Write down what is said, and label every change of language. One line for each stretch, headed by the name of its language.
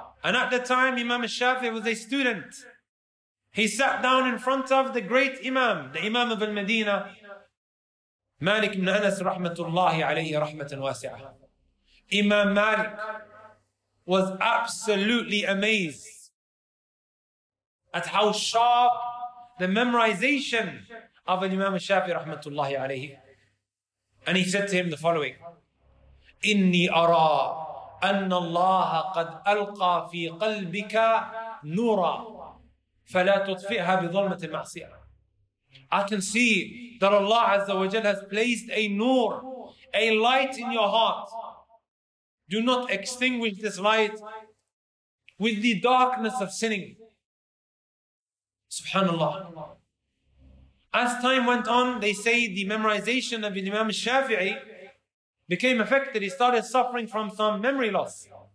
English: And at the time, Imam al-Shafi'i was a student. He sat down in front of the great Imam, the Imam of al-Madinah, Malik ibn Anas rahmatullahi alayhi rahmatan wasi'ah. Imam Malik was absolutely amazed at how sharp the memorization of Imam al-Shafi'i rahmatullahi alayhi. And he said to him the following,
Arabic: إِنِّي أَرَى أَنَّ اللَّهَ قَدْ أَلْقَى فِي قَلْبِكَ نُورًا فَلَا تُطْفِئْهَا بِظُلْمَةِ الْمَعْصِيَةِ.
English: I can see that Allah Azza wa Jal has placed a nur, a light in your heart. Do not extinguish this light with the darkness of sinning. Subhanallah. As time went on, they say the memorization of Imam al-Shafi'i became affected. He started suffering from some memory loss.